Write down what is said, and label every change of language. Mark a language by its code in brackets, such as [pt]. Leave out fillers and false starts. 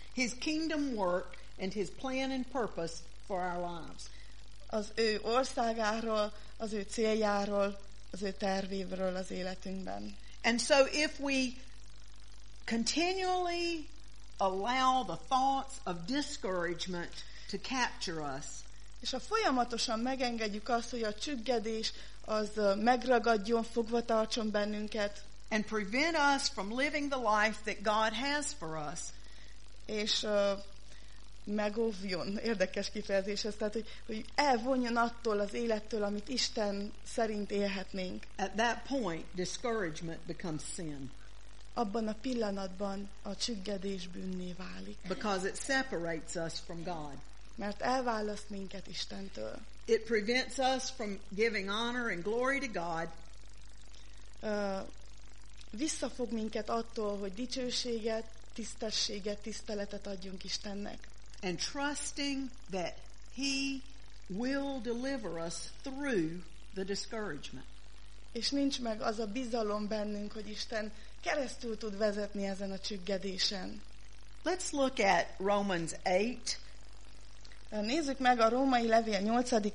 [en] His kingdom work and his plan and purpose for our lives. [hu] Az ő országáról, az ő céljáról, az ő tervéről az életünkben. [en] And so if we continually allow the thoughts of discouragement to capture us, [hu] és ha folyamatosan megengedjük azt, hogy a csüggedés az megragadjon, fogva tartson bennünket, [en] and prevent us from living the life that God has for us. [hu] És megóvjon, érdekes kifejezés ez, tehát hogy elvonjon attól az élettől, amit Isten szerint élhetnénk. [en] At that point, discouragement becomes sin. [hu] Abban a pillanatban a csüggedés bűnné válik. [en] Because it separates us from God. [hu] Mert elválaszt minket Istentől. [en] It prevents us from giving honor and glory to God. [hu] Visszafog minket attól, hogy dicsőséget, tisztességet, tiszteletet adjunk Istennek. [en] And trusting that he will deliver us through the discouragement. [hu] És nincs meg az a bizalom bennünk, hogy Isten keresztül tud vezetni ezen a csüggedésen. [en] Let's look at Romans 8. [hu] Nézzük meg a Római Levél 8.